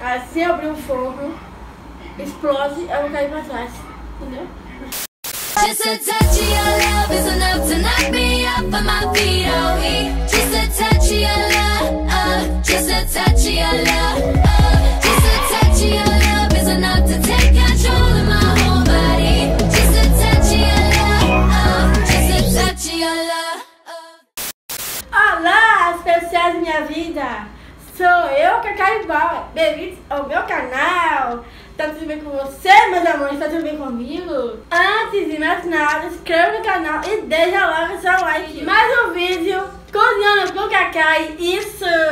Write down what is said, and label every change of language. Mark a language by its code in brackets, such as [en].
[pt] Se abrir um forno, explode, eu não caio pra trás, entendeu? [en] Just a touch of your love is enough to knock me off of my feet, oh he. Just a touch of your love, just a touch of your love, just a touch of your love is enough to take control of my whole body. Just a touch of your love, just a touch of your love. [pt] Olá, as pessoas da minha vida. Sou eu, Cacá Ribal. Bem-vindos ao meu canal. Tá tudo bem com você, meus amores? Tá tudo bem comigo? Antes de mais nada, inscreva no canal e deixa logo o seu like. Mais um vídeo cozinhando com o Cacai. Isso!